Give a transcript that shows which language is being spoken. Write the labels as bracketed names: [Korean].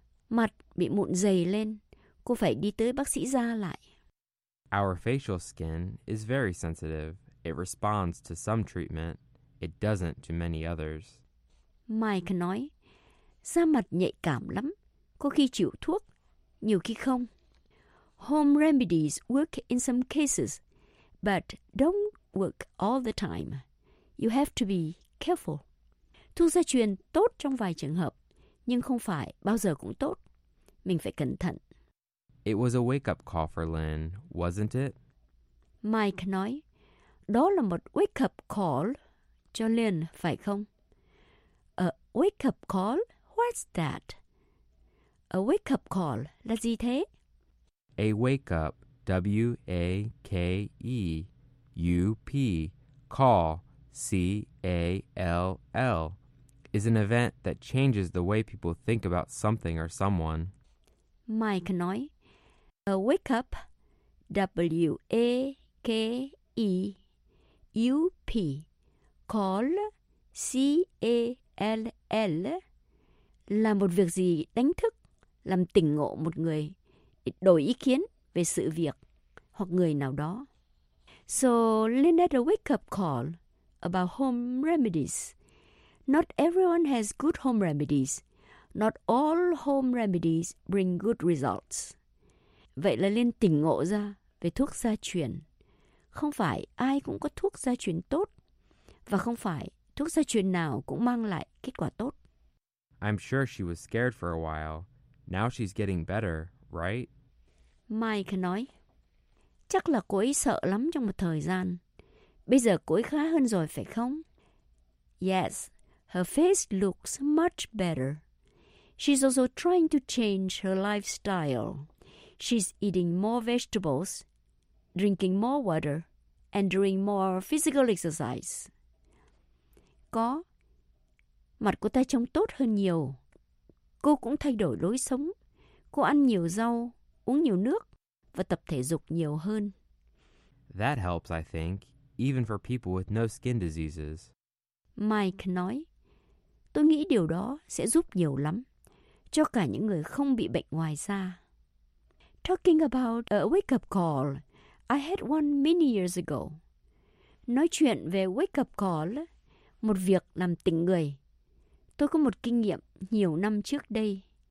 [Vietnamese] Mặt bị mụn dày lên. Cô phải đi tới bác sĩ da lại. [English] Our facial skin is very sensitive. It responds to some treatment. It doesn't to many others. [Vietnamese] Mike nói, da mặt nhạy cảm lắm, có khi chịu thuốc, nhiều khi không. [English] Home remedies work in some cases, but don't work all the time. You have to be careful. [Vietnamese] Thuốc gia truyền tốt trong vài trường hợp, nhưng không phải bao giờ cũng tốt. Mình phải cẩn thận. [English] It was a wake-up call for Lynn, wasn't it? [Vietnamese] Mike nói, đó là một wake-up call cho Lynn, phải không? [English] A wake-up call? What's that? A wake-up call [Vietnamese] là gì thế? [English] A wake-up, W-A-K-E-U-P, call, C-A-L-L, is an event that changes the way people think about something or someone. [Vietnamese] Mike nói, a wake-up, W-A-K-E-U-P, call, C-A-L-L, là một việc gì đánh thức, làm tỉnh ngộ một người, đổi ý kiến về sự việc hoặc người nào đó. [English] So, Lynn had a wake-up call about home remedies. Not everyone has good home remedies. Not all home remedies bring good results. [Vietnamese] Vậy là Lynn tỉnh ngộ ra về thuốc gia truyền. không phải ai cũng có thuốc gia truyền tốt và không phải thuốc gia truyền nào cũng mang lại kết quả tốt. [English] I'm sure she was scared for a while. Now she's getting better, right? [Vietnamese] Mike nói, chắc là cô ấy sợ lắm trong một thời gian. Bây giờ cô ấy khá hơn rồi phải không? [English] Yes, her face looks much better. She's also trying to change her lifestyle. She's eating more vegetables, drinking more water, and doing more physical exercise. [Vietnamese] Có, mặt cô ta trông tốt hơn nhiều. Cô cũng thay đổi lối sống. Cô ăn nhiều rau, uống nhiều nước và tập thể dục nhiều hơn. [English] That helps, I think, even for people with no skin diseases. [Vietnamese] Mike nói, tôi nghĩ điều đó sẽ giúp nhiều lắm cho cả những người không bị bệnh ngoài da. [English] Talking about a wake-up call, I had one many years ago. [Vietnamese] Nói chuyện về wake-up call, một việc làm tỉnh người, tôi có một kinh nghiệm nhiều năm trước đây.